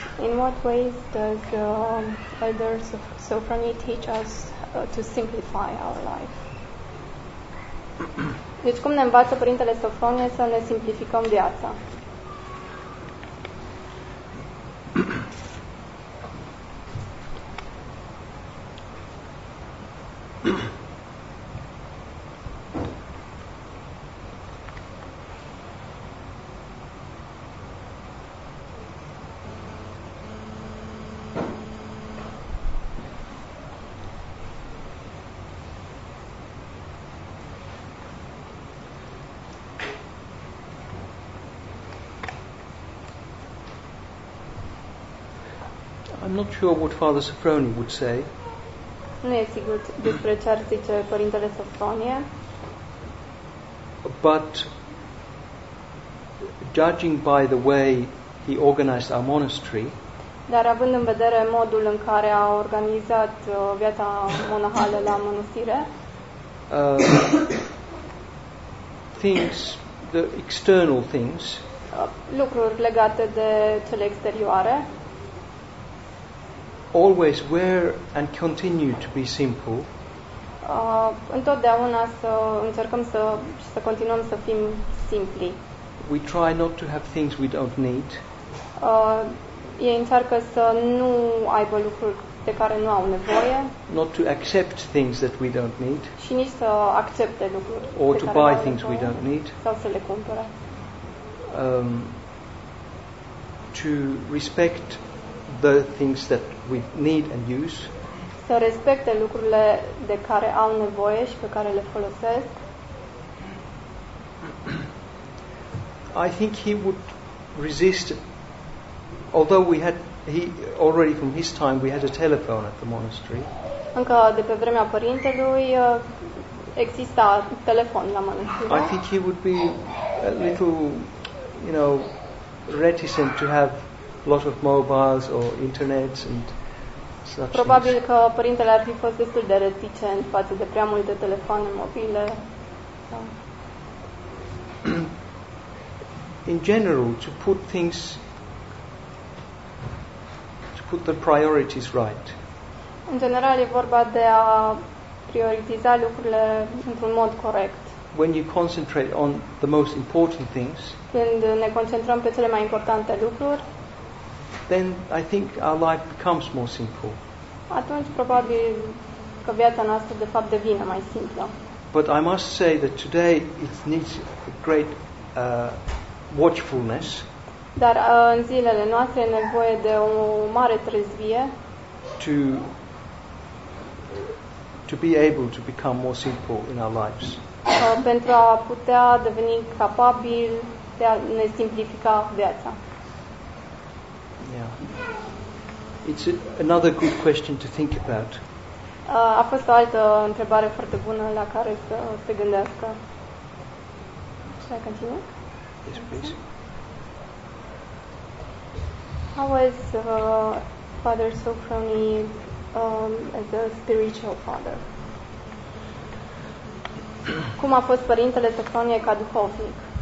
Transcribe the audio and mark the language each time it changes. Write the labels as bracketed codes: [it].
[en] In what ways does Elder Sofroni teach us to simplify our life? [ro] Deci cum ne învață Părintele Sofronie să ne simplificăm viața? [en] I'm not sure what Father Sofroni would say. [ro] Nu e sigur despre ce ar zice Părintele Sofronie. [en] But judging by the way he organized our monastery, [ro] dar având în vedere modul în care a organizat viața monahală la mănăstire, [en] things, the external things, [ro] lucruri legate de cele exterioare, [en] always were and continue to be simple. [ro] Întotdeauna să încercăm să continuăm să fim simpli. [en] We try not to have things we don't need. [ro] Ei încearcă să nu aibă lucruri de care nu au nevoie. [en] Not to accept things that we don't need. [ro] Și nici să accepte lucruri. [en] Or to buy things we don't need. [ro] Sau să le cumpere. [en] To respect the things that we need and use. [ro] Să respecte lucrurile de care au nevoie și pe care le folosesc. [en] I think he would resist, although he already from his time we had a telephone at the monastery. [ro] Încă de pe vremea părintelui exista telefon la mănăstire. [en] I think he would be a little, you know, reticent to have lot of mobiles or internet and such. [ro] Probabil [en] things. [ro] Că părintele ar fi fost destul de reticent față de prea multe telefoane mobile. [en] In general, to put the priorities right. [ro] În general e vorba de a prioritiza lucrurile într-un mod corect. [en] When you concentrate on the most important things. [ro] Când ne concentrăm pe cele mai importante lucruri. [en] Then I think our life becomes more simple. [ro] Atunci probabil că viața noastră de fapt devine mai simplă. [en] But I must say that today it needs a great watchfulness. [ro] Dar în zilele noastre e nevoie de o mare trezvie. [en] To be able to become more simple in our lives. [ro] Pentru a putea deveni capabil de a ne simplifica viața. [en] Yeah. It's another good question to think about. [ro] A fost o altă întrebare foarte bună la care să se gândească. [en] Shall I continue? Yes, please. How was Father Sofroni as a spiritual father? [ro] Cum a fost Părintele Sofronie ca duhovnic?